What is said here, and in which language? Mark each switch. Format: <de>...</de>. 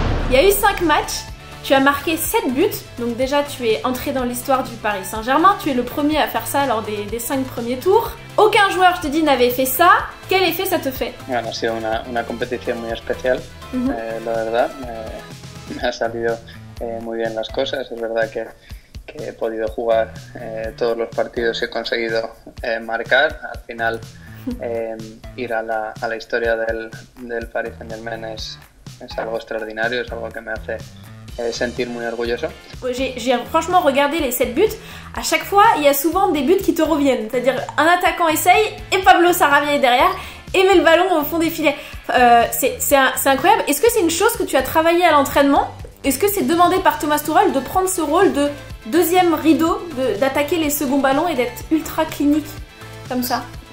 <fr>Il y a eu 5 matchs. Tu as marqué 7 buts, donc déjà tu es entré dans l'histoire du Paris Saint-Germain, tu es le premier à faire ça lors des 5 premiers tours. Aucun joueur, je te dis, n'avait fait ça. Quel effet ça te fait? Voilà, c'est une compétition très spéciale,</fr> <es>la verdad. Me ha salido muy bien las cosas. Es verdad que he podido jugar todos los partidos y he conseguido marcar. Al final, ir a la historia del Paris Saint-Germain es algo extraordinario, es algo que me hace sentir muy orgulloso.</es> <fr>J'ai franchement regardé les 7 buts. À chaque fois, il y a souvent des buts qui te reviennent. C'est-à-dire, un attaquant essaye et Pablo Sarabia est derrière et met le ballon au fond des filets. C'est incroyable. Est-ce que c'est une chose que tu as travaillé à l'entraînement? Est-ce que c'est demandé par Thomas Tuchel de prendre ce rôle de deuxième rideau, d'attaquer les seconds ballons et d'être ultra clinique comme ça?</fr>